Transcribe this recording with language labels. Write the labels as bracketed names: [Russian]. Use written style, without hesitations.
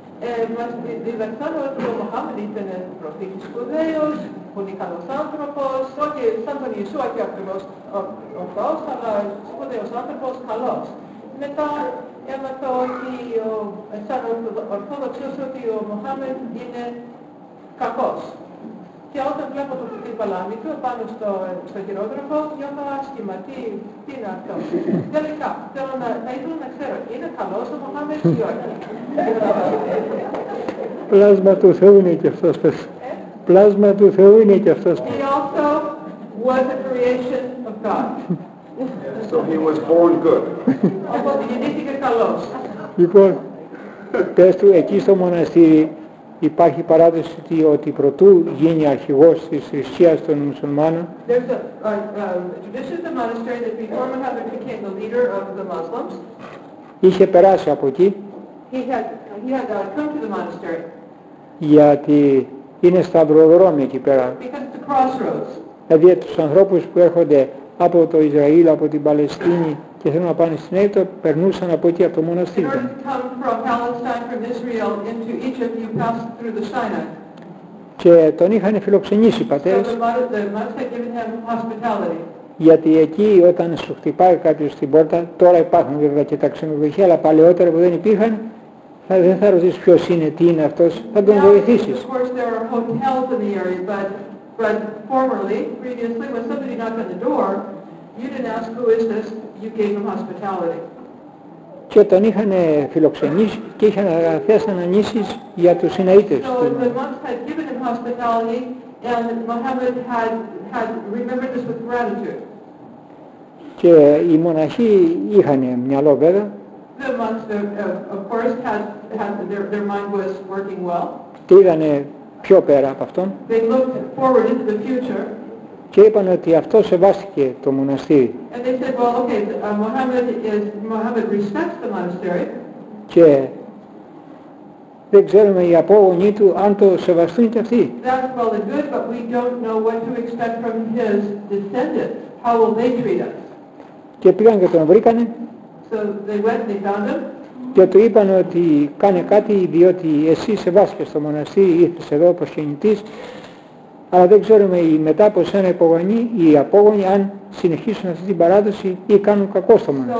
[Greek] Mas diversos como Muhammad tienen profetas judíos, publicados antropos, porque Santo Yeshua que aprobó los judíos antropos calos. Meta el mató que están ortodoxos que o Muhammad tiene cacos. Και όταν βλέπω το κουτί παλάμικο πάνω στο χειρόγραφο, νιώθω άσχημα. Τι είναι αυτό. Τελικά, θα ήθελα να ξέρω, είναι καλός ο Μωάμεθ ή όχι. Πλάσμα του Θεού είναι και αυτός. Πλάσμα του Θεού είναι και αυτός. [English] He also was a creation of God. So he was born good. [Greek] Οπότε γεννήθηκε καλός. Λοιπόν, πες του εκεί στο μοναστήρι, υπάρχει παράδοση ότι πρωτού γίνει αρχηγός της θρησκείας των μουσουλμάνων. [English] There's a tradition of the monastery that before Muhammad became the leader of the Muslims. [Greek] Είχε περάσει από εκεί. [English] He had come to the monastery. [Greek] Γιατί είναι σταυροδρόμοι εκεί πέρα. [English] Because it's a crossroads. [Greek] Δηλαδή τους ανθρώπους που έρχονται από το Ισραήλ, από την Παλαιστίνη και θέλουν να πάνε στην Αίγυπτο, περνούσαν από εκεί, από το μοναστήρι. [English] In order to come from Palestine, from Israel, into Egypt, you pass through the Sinai. [Greek] Και τον είχαν φιλοξενήσει οι πατέρες. [English] So the monastery had given him hospitality. [Greek] Γιατί εκεί όταν σου χτυπάει κάποιος στην πόρτα, τώρα υπάρχουν βέβαια και τα ξενοδοχεία, αλλά παλαιότερα που δεν υπήρχαν, δεν θα ρωτήσεις ποιος είναι, τι είναι αυτός, θα τον βοηθήσεις. [English] Of course there are hotels in the area, but formerly, previously, when somebody knocked on the door, you didn't ask who is this, you gave him hospitality. [Greek] Και τον είχαν φιλοξενήσει και είχαν αγαθές ανανήσεις για τους συναίτες. [English] So the monks had given him hospitality and Muhammad had remembered this with gratitude. [Greek] Και οι μοναχοί είχαν μυαλό βέβαια. [English] The monks of course had their mind was working well. [Greek] Και είδανε πιο πέρα από αυτόν. [English] They looked forward into the future. [Greek] Και είπαν ότι αυτό σεβάστηκε το μοναστήρι. [English] And they said, well, okay, Muhammad respects the monastery. [Greek] Και δεν ξέρουμε οι απόγονοι του αν το σεβαστούν και αυτοί. [English] That's well and good, but we don't know what to expect from his descendants. How will they treat us? [Greek] Και πήγαν και τον βρήκανε. [English] So they went and they found him. [Greek] Και του είπαν ότι κάνε κάτι, διότι εσύ σεβάστηκες το μοναστήρι, ήρθες εδώ προσκυνητής. Αλλά δεν ξέρουμε μετά από σένα υπογονή ή απόγονη αν συνεχίσουν αυτή την παράδοση ή κάνουν κακό στο